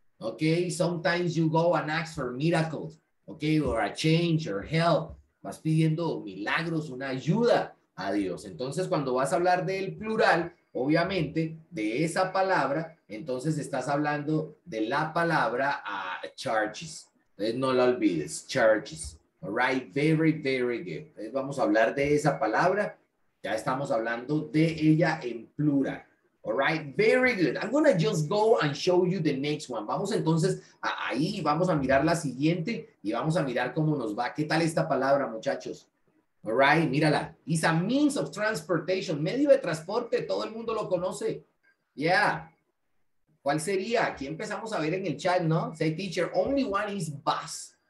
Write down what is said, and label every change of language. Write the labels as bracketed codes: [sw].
[en] Okay, sometimes you go and ask for miracles, okay, or a change or help. [es] Vas pidiendo milagros, una ayuda a Dios. Entonces, cuando vas a hablar del plural, obviamente, de esa palabra, entonces estás hablando de la palabra churches. Entonces, no la olvides, churches. All right, very, very good. Entonces, vamos a hablar de esa palabra. Ya estamos hablando de ella en plural. [en] All right, very good. I'm going to just go and show you the next one. [es] Vamos entonces ahí, vamos a mirar la siguiente y vamos a mirar cómo nos va. ¿Qué tal esta palabra, muchachos? All right, mírala. [en] It's a means of transportation, [es] medio de transporte. Todo el mundo lo conoce. Yeah. ¿Cuál sería? Aquí empezamos a ver en el chat, ¿no? [en] Say, teacher, only one is bus.